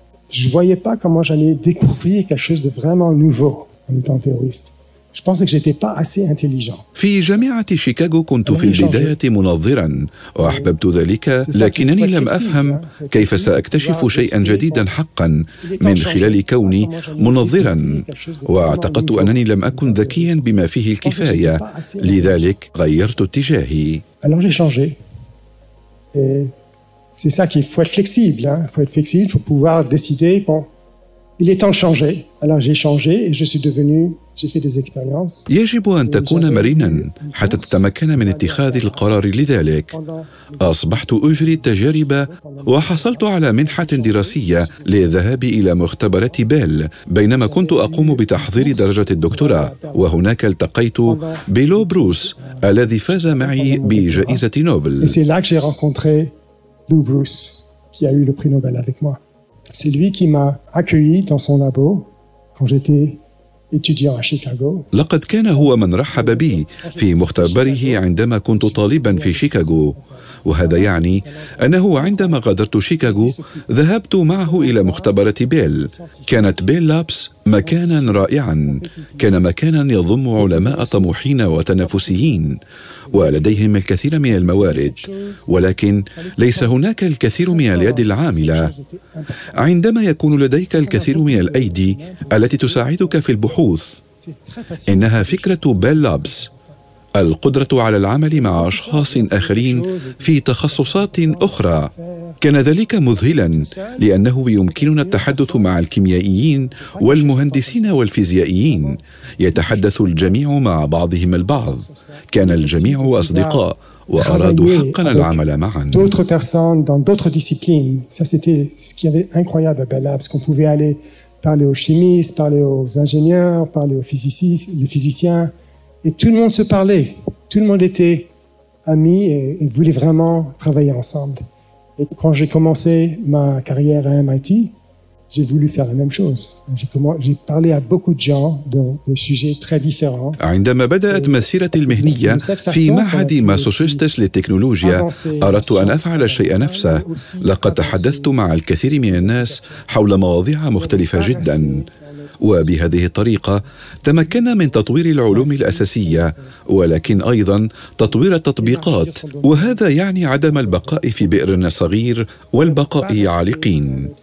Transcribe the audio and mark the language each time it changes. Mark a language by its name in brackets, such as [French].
[French] je voyais pas comment j'allais découvrir quelque chose de vraiment nouveau en étant théoriste. je pensais que j'étais pas assez intelligent. [Arabic] في جامعة شيكاغو كنت في البداية منظرا وأحببت ذلك لكنني لم أفهم كيف سأكتشف شيئا جديدا حقا من خلال كوني منظرا. واعتقدت أنني لم أكن ذكيا بما فيه الكفاية لذلك غيرت اتجاهي. [French] alors j'ai changé. C'est ça qu'il faut être flexible, hein. Faut être flexible, faut pouvoir décider. Bon, Il est temps de changer. Alors j'ai changé et je suis devenu, j'ai fait des expériences. [Arabic] يجب أن تكون مرنا حتى تتمكن من اتخاذ القرار لذلك. أصبحت أجري التجارب وحصلت على منحة دراسية للذهاب إلى مختبرة بيل بينما كنت أقوم بتحضير درجة الدكتوراه، وهناك التقيت بلو بروس الذي فاز معي بجائزة نوبل. [French] Et c'est là que j'ai rencontré Lou Bruce qui a eu le prix Nobel avec moi. C'est lui qui m'a accueilli dans son labo quand j'étais étudiant à Chicago. [Arabic] لقد كان هو من رحب بي في مختبره عندما كنت طالبا في شيكاغو، وهذا يعني أنه عندما غادرت شيكاغو ذهبت معه إلى مختبرة بيل. كانت بيل لابس مكانا رائعا، كان مكانا يضم علماء طموحين وتنافسيين ولديهم الكثير من الموارد، ولكن ليس هناك الكثير من اليد العاملة. عندما يكون لديك الكثير من الأيدي التي تساعدك في البحوث، إنها فكرة بيل لابس، القدرة على العمل مع أشخاص آخرين في تخصصات أخرى. كان ذلك مذهلاً لأنه يمكننا التحدث مع الكيميائيين والمهندسين والفيزيائيين، يتحدث الجميع مع بعضهم البعض، كان الجميع أصدقاء وأرادوا حقاً العمل معاً. [French] D'autres personnes dans d'autres disciplines. Ça c'était ce qui avait incroyable à Bell Labs, qu'on pouvait aller parler aux chimistes, parler aux ingénieurs, parler aux physicistes, les physiciens. Et tout le monde se parlait, tout le monde était ami et voulait vraiment travailler ensemble. Et quand j'ai commencé ma carrière à MIT, j'ai voulu faire la même chose. J'ai parlé à beaucoup de gens dans des sujets très différents. [Arabic] عندما بدأت مسيرتي المهنية في معهد ماساتشوستس للتكنولوجيا، أردت أن أفعل الشيء نفسه. لقد تحدثت مع الكثير من الناس حول مواضيع مختلفة جدا، وبهذه الطريقة تمكنا من تطوير العلوم الأساسية، ولكن أيضا تطوير التطبيقات، وهذا يعني عدم البقاء في بئر صغير والبقاء عالقين.